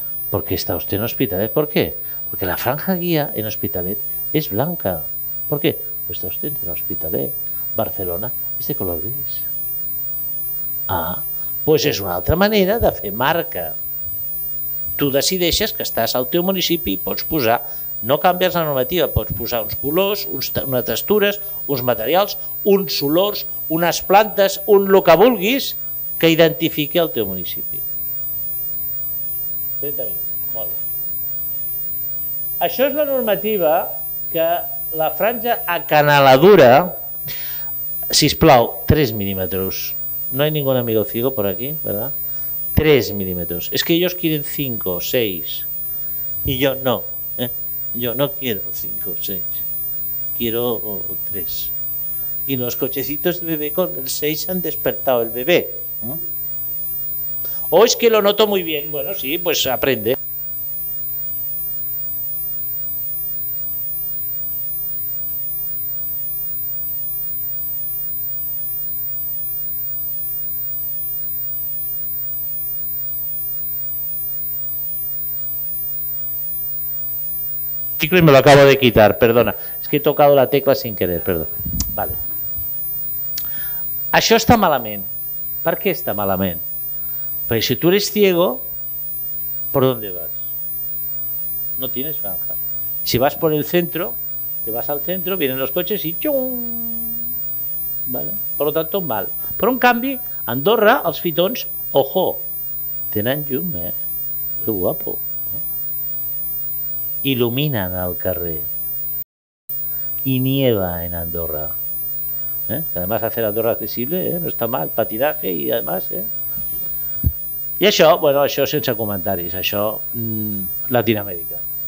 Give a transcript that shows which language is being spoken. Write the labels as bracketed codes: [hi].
[es] Porque está usted en Hospitalet. ¿Por qué? Porque la franja guía en Hospitalet es blanca. ¿Por qué? Pues está usted en Hospitalet. [ca] Barcelona, és de color gris. Ah, doncs és una altra manera de fer marca. Tu decideixes que estàs al teu municipi i pots posar, no canvies la normativa, pots posar uns colors, unes textures, uns materials, uns olors, unes plantes, un el que vulguis que identifiqui el teu municipi. 30 minuts, molt bé. Això és la normativa que la franja acanaladura... Sisplau, 3 mil·límetres. No hi ha ningú amigo ciego per aquí, ¿verdad? 3 mil·límetres. És que ells [es] quieren 5 o 6. [ca] I jo no. [es] Jo no quiero 5 o 6. Quiero 3. I els cotxecitos de bebé con el 6 han despertado el bebé. ¿No? O és que lo noto muy bien. Bueno, sí, pues aprende. Y me lo acabo de quitar, perdona. Es que... que he tocado la tecla sin querer, perdó. Vale. [ca] Això està malament. Per què està malament? [es] Perquè si tu eres ciego, ¿por dónde vas? No tienes franja. Si vas por el centro, te vas al centro, vienen los coches y ¡chum! ¿Vale? Por lo tanto, mal. [ca] Però en canvi, Andorra, els fitons, ojo, tenen llum, eh? Que guapo. Il·luminen el carrer. [es] I nieva en Andorra. Que además hacer Andorra accesible, [ca] no està mal, patinatge i además, I això, bueno, això sense comentaris, això, Latinoamèrica.